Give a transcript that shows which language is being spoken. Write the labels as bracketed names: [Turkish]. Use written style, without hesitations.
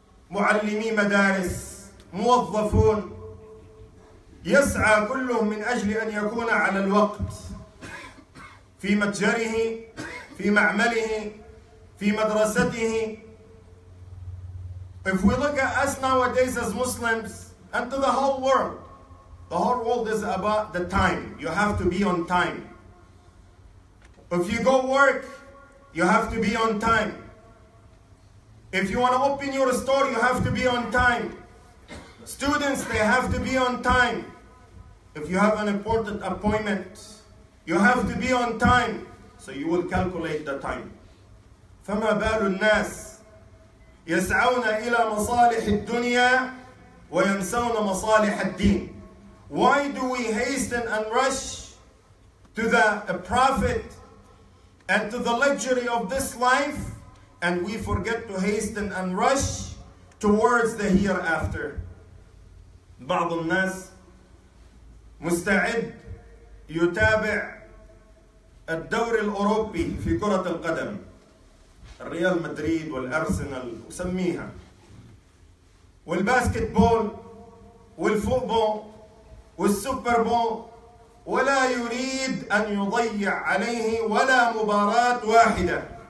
[Arabic] معلمي مدارس موظفون يسعى كلهم من أجل أن يكون على الوقت في متجره في معمله في مدرسته [English] If we look at us nowadays as Muslims and to the whole world is about the time. You have to be on time. If you go work, you have to be on time. If you want to open your store, you have to be on time. Students, they have to be on time. If you have an important appointment, you have to be on time. So you will calculate the time. [Arabic] فما بال الناس يسعون إلى مصالح الدنيا وينسون مصالح الدين. [English] Why do we hasten and rush to the profit and to the luxury of this life and we forget to hasten and rush towards the hereafter? [Arabic] بعض الناس مستعد يتابع الدوري الأوروبي في كرة القدم الريال مدريد والأرسنال وسميها والباسكتبول والفوتبول والسوبر بول ولا يريد أن يضيع عليه ولا مباراة واحدة